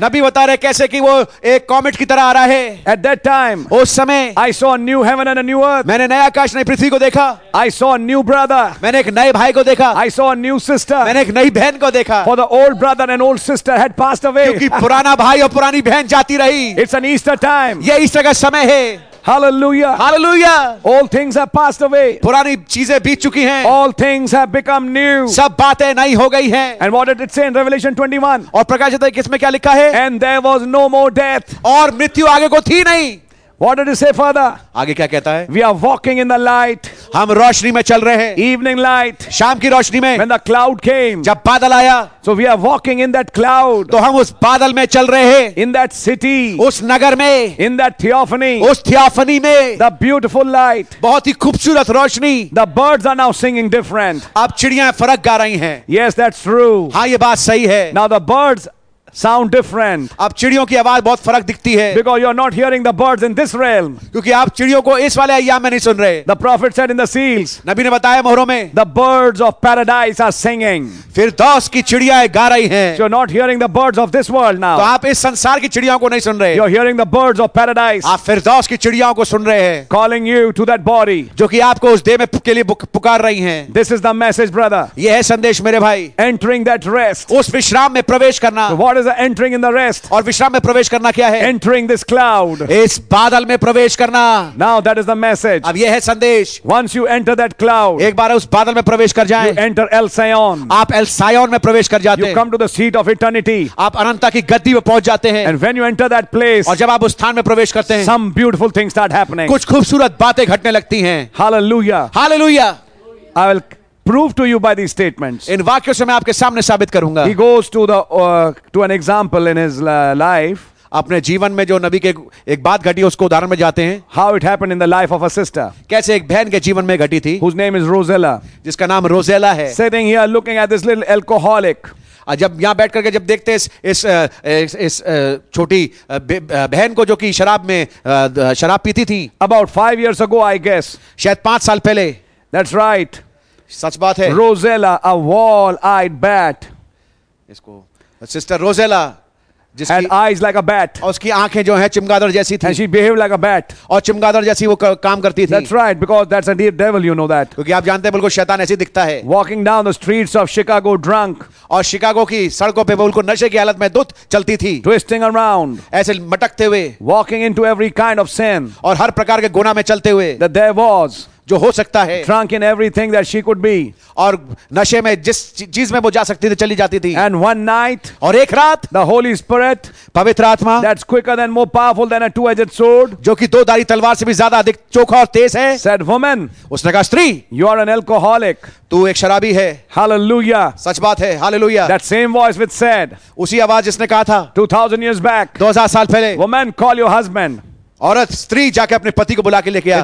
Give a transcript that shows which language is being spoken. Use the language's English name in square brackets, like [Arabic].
[Hindi] नबी बता रहे कैसे कि वो एक कॉमेट की तरह आ रहा है. [English] At that time. I saw a new heaven and a new earth. [Hindi] मैंने नया आकाश नई पृथ्वी को देखा. [English] I saw a new brother. [Hindi] मैंने एक नए भाई को देखा. [English] I saw a new sister. [Hindi] मैंने एक नई बहन को देखा. [English] For the old brother and old sister had passed away. [Hindi] क्योंकि पुराना भाई और पुरानी बहन जाती रही. [English] It's an Easter time. [Hindi] ये ईस्टर का समय है. [English] Hallelujah. Hallelujah. All things have passed away. [Hindi] पुरानी चीजें बीत चुकी हैं. [English] All things have become new. [Hindi] सब बातें नई हो गई हैं. [English] And what did it say in Revelation 21? [Hindi] और प्रकाशित वाक्य इसमें क्या लिखा है? [English] And there was no more death. [Hindi] और मृत्यु आगे को थी नहीं. [English] What did he say, Father? [Hindi] आगे क्या कहता है? [English] We are walking in the light. [Hindi] हम रोशनी में चल रहे हैं. [English] Evening light. [Hindi] शाम की रोशनी में. [English] When the cloud came. [Hindi] जब बादल आया. [English] So we are walking in that cloud. [Hindi] तो हम उस बादल में चल रहे हैं. [English] In that city. [Hindi] उस नगर में. [English] In that theophany. [Hindi] उस थियोफनी में. [English] The beautiful light. [Hindi] बहुत ही खूबसूरत रोशनी. [English] The birds are now singing different. [Hindi] अब चिड़ियां फर्क गा रही हैं. [English] Yes, that's true. [Hindi] हाँ ये बात सही है. [English] Now the birds sound different. [Hindi] आप चिड़ियों की आवाज बहुत फर्क दिखती है. [English] Because you are not hearing the birds in this realm. [Hindi] क्योंकि आप चिड़ियों को इस वाले अय्याम में नहीं सुन रहे. [English] The prophet said in the seals. [Hindi] नबी ने बताया मोहरों में. [English] The birds of paradise are singing. [Hindi] फिर दोस्त की चिड़ियाँ गा रही हैं. [English] You are not hearing the birds of this world now. [Hindi] तो आप इस संसार की चिड़ियों को नहीं सुन रहे. [English] You are hearing the birds of paradise. [Hindi] आप फिर दोस्त की चिड़ियाँ को सुन रहे हैं. [English] Calling you to that body. [Hindi] जो कि आपको उस देह में के लिए पुकार रही हैं. [English] This is the message, brother. [Hindi] यह है संदेश मेरे भाई. [English] Entering that rest. [Hindi] उस विश्राम में प्रवेश करना. [English] What is the entering in the rest? [Hindi] और विश्राम में प्रवेश करना क्या है? [English] Entering this cloud. [Hindi] इस बादल में प्रवेश करना. [English] Now that is the message. [Hindi] अब यह है संदेश. [English] Once you enter that cloud. [Hindi] एक बार उस बादल में प्रवेश कर जाएं. [English] You enter El Sion. [Hindi] आप El Sion में प्रवेश कर जाते हैं. [English] You come to the seat of eternity. [Hindi] आप अनंतता की गद्दी में पहुंच जाते हैं. [English] And when you enter that place. [Hindi] और जब आप उस स्थान में प्रवेश करते हैं. [English] Some beautiful things start happening. [Hindi] कुछ खूबसूरत बातें घटने लगती हैं. [English] Hallelujah. Hallelujah. I will prove to you by these statements. [Hindi] इन वाक्यों से मैं आपके सामने साबित करूंगा. [English] He goes to the to an example in his life. [Hindi] अपने जीवन में जो नबी के एक बात घटी उसको उदाहरण में जाते हैं. [English] How it happened in the life of a sister. [Hindi] कैसे एक बहन के जीवन में घटी थी. [English] Whose name is Rosella. [Hindi] जिसका नाम Rosella है. [English] Sitting here looking at this little alcoholic. [Hindi] जब यहाँ बैठ करके जब देखते हैं इस छोटी बहन को जो कि शराब में शराब पीती थी. [English] About 5 years ago, I guess. [Hindi] शायद 5 साल पहले. [English] That's right. [Hindi] सच बात है. [English] Rosella, a wall-eyed bat. [Hindi] इसको सिस्टर रोजेला जिसकी [English] and eyes like a bat. [Hindi] और उसकी आंखें जो हैं चमगादड़ जैसी थी. [English] And she behaved like a bat. [Hindi] और चमगादड़ जैसी वो काम करती थी. [English] That's right, because that's a dear devil, you know that. [Hindi] क्योंकि आप जानते हैं बिल्कुल शैतान ऐसी दिखता है. [English] Walking down the streets of Chicago drunk. [Hindi] और शिकागो की सड़कों पे बिल्कुल नशे की हालत में दुत चलती थी. [English] Twisting around. [Hindi] ऐसे मटकते हुए. [English] Walking into every kind of sin. [Hindi] और हर प्रकार के गुनाह में चलते हुए. [English] That there was. [Hindi] जो हो सकता है. [English] Drunk in everything that she could be. [Hindi] और नशे में जिस चीज में वो जा सकती थी चली जाती थी. [English] And one night. [Hindi] और एक रात. [English] The Holy Spirit. [Hindi] पवित्र आत्मा. [English] That's quicker than more powerful than a two-edged sword. [Hindi] जो कि दो धारी तलवार से भी ज्यादा अधिक चोखा और तेज है. [English] Said woman. [Hindi] उसने कहा स्त्री. [English] You are an alcoholic. [Hindi] तू एक शराबी है. [English] Hallelujah. [Hindi] सच बात है. Hallelujah. [English] That same voice which said. [Hindi] उसी आवाज जिसने कहा था. [English] 2000 years back. [Hindi] 2000 साल पहले. [English] Woman, call your husband. [Hindi] औरत स्त्री जाके अपने पति को बुला के लेके आ.